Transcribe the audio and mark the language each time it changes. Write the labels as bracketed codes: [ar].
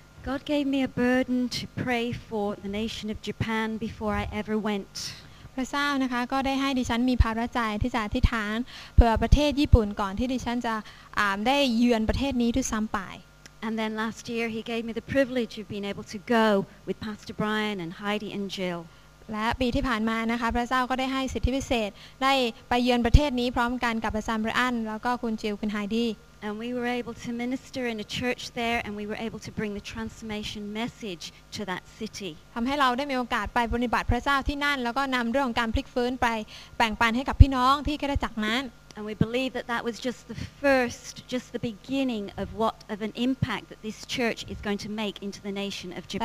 [en] God gave me a burden to pray for the nation of Japan before I ever went. [th] พระเจ้านะคะก็ได้ให้ดิฉันมีภาระใจที่จะอธิษฐานเพื่อประเทศญี่ปุ่นก่อนที่ดิฉันจะได้เยือนประเทศนี้ด้วยซ้ำไป [en] And then last year he gave me the privilege of being able to go with Pastor Brian and Heidi and Jill. [th] และปีที่ผ่านมานะคะพระเจ้าก็ได้ให้สิทธิพิเศษได้ไปเยือนประเทศนี้พร้อมกันกับอาจารย์บรันแล้วก็คุณจิลคุณไฮดี้ [en] And we were able to minister in a church there, and we were able to bring the transformation message to that city. [th] ทำให้เราได้มีโอกาสไปปฏิบัติพระเจ้าที่นั่นแล้วก็นำเรื่องการพลิกฟื้นไปแบ่งปันให้กับพี่น้องที่คริสตจักรนั้น [en] And we believe that that was just the first, just the beginning of what of an impact that this church is going to make into the nation of Japan.